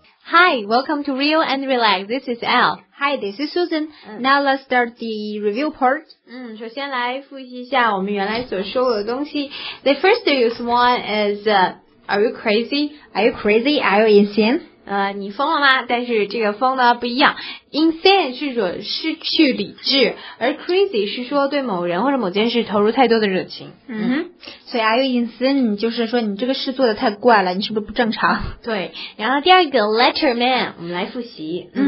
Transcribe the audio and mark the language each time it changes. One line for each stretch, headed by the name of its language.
English: Hi, welcome to Real and Relax. This is Al. Hi, this is Susan. Now let's start the review part.
Chinese: 首先来复习一下我们原来所说过的东西。
English: The first one is, are you crazy? Are you crazy? Are you insane?
Chinese: 你疯了吗？但是这个疯呢不一样。 Insane 是说失去理智，而 crazy 是说对某人或者某件事投入太多的热情。所以 are you insane 就是说你这个事做得太怪了，你是不是不正常？对。然后第二个 letterman， 我们来复习。